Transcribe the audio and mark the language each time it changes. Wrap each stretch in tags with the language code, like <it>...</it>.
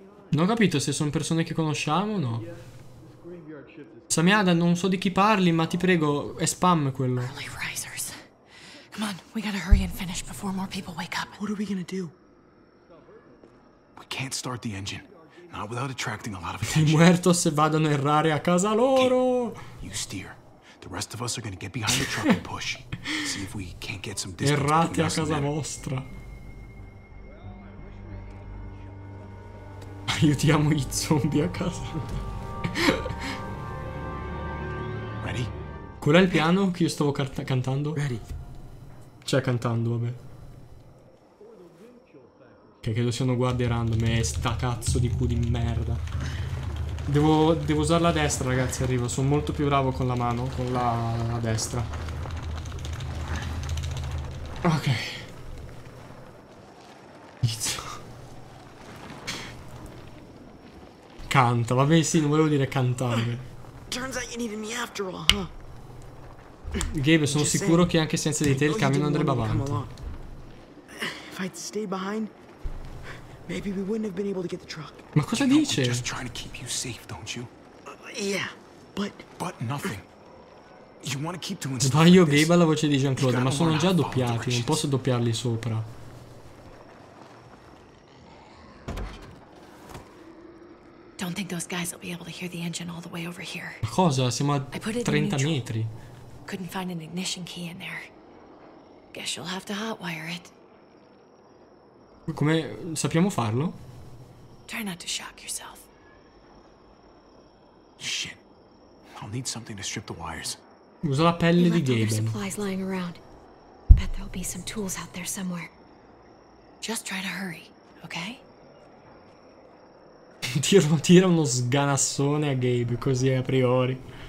<it>Non ho capito se sono persone che conosciamo o no. Samiada, non so di chi parli, ma ti prego, è spam quello.</it> <en>Come on, we gotta hurry and finish before more people wake up. What are we gonna do? We can't start the engine. Not without attracting a lot of attention.</en> <it>I muertos vadano errare a casa loro.</it> <en>You steer. The rest of us are gonna get behind the truck and push. See if we can't get some distance.</en> <it>Errate a casa vostra. Aiutiamo i zombie a casa.</it> <en>Ready?</en> <it>Qual è il piano che io stavo cantando?</it> <en>Ready.</en> <it>Cioè cantando, vabbè. Che credo siano guardie random. Sta cazzo di cu di merda. Devo usare la destra, ragazzi, arrivo. Sono molto più bravo con la mano. Con la destra. Ok. Canta, vabbè, sì, non volevo dire cantare.</it> <en>Turns out you needed me after all, huh?</en> <it>Gabe, sono sicuro che anche senza di te il camion andrebbe avanti.</it> <en>If I'd stay behind, maybe we wouldn't have been able to get the truck.</en> <it>Ma cosa dice?</it> <en>Just trying to keep you safe, don't you? Yeah, but nothing. You want to keep doing something.</en> <it>Sbaglio Gabe alla voce di Jean-Claude, ma sono già doppiati, non posso doppiarli sopra.</it> <en>Don't think those guys will be able to hear the engine all the way over here.</en> <it>Cosa? Siamo a 30 metri.</it> <en>Couldn't find an ignition key in there. Guess you'll have to hotwire it.</en> <it>Come sappiamo farlo?</it> <en>Try not to shock yourself. Shit. I'll need something to strip the wires.</en> <it>Usa la pelle di Gabe.</it> <en>Supplies lying around. Bet there'll be some tools out there somewhere. Just try to hurry, okay?</en> <it>Tira uno sganassone a Gabe, così a priori.</it>